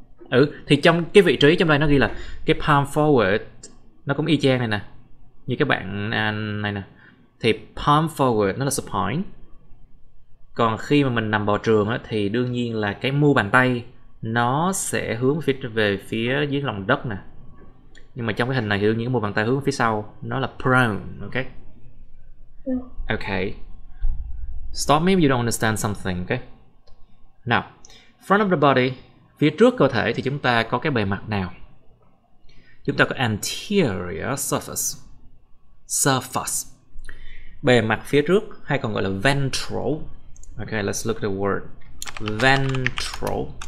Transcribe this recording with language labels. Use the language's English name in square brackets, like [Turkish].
[Vietnamese] Ừ, thì trong cái vị trí trong đây nó ghi là cái palm forward, nó cũng y chang này nè, như cái bạn này nè, thì palm forward nó là supine. Còn khi mà mình nằm bò trường á, thì đương nhiên là cái mu bàn tay nó sẽ hướng về phía dưới lòng đất nè. Nhưng mà trong cái hình này thì đương nhiên cái mu bàn tay hướng phía sau, nó là prone, okay? [English] Okay. Stop me if you don't understand something, okay? Now, front of the body, [Vietnamese] phía trước cơ thể thì chúng ta có cái bề mặt nào? Chúng ta có anterior surface. Surface. Bề mặt phía trước hay còn gọi là ventral. [English] Okay, let's look at the word. Ventral.